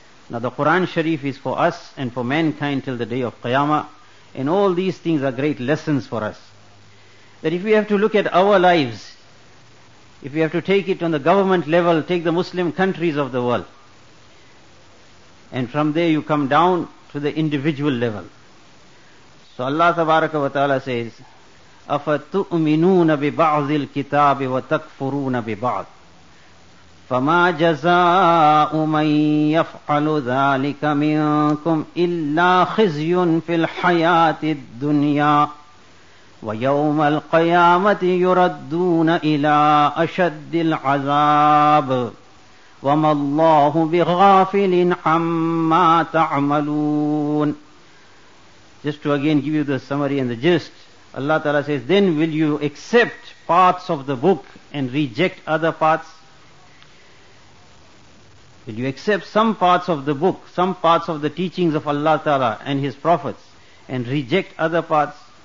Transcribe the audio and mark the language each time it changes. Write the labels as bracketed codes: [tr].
[en] Now the Quran Sharif is for us and for mankind till the day of Qiyamah. And all these things are great lessons for us. That if we have to look at our lives, if we have to take it on the government level, take the Muslim countries of the world, and from there you come down to the individual level. So Allah Tabaraka wa Ta'ala says, [ar] أَفَتُؤْمِنُونَ بِبَعْضِ الْكِتَابِ وَتَكْفُرُونَ بِبَعْضِ فَمَا جَزَاءُ مَنْ يَفْعَلُ ذَلِكَ مِنْكُمْ إِلَّا خِزْيٌ فِي الْحَيَاةِ الدُّنْيَا وَيَوْمَ الْقَيَامَةِ يُرَدُّونَ إِلَىٰ أَشَدِّ الْعَذَابِ وَمَا اللَّهُ بِغَافِلٍ عَمَّا تَعْمَلُونَ. [en] Just to again give you the summary and the gist, Allah Ta'ala says, then will you accept parts of the book and reject other parts? Will you accept some parts of the book, some parts of the teachings of Allah Ta'ala and His prophets, and reject other parts?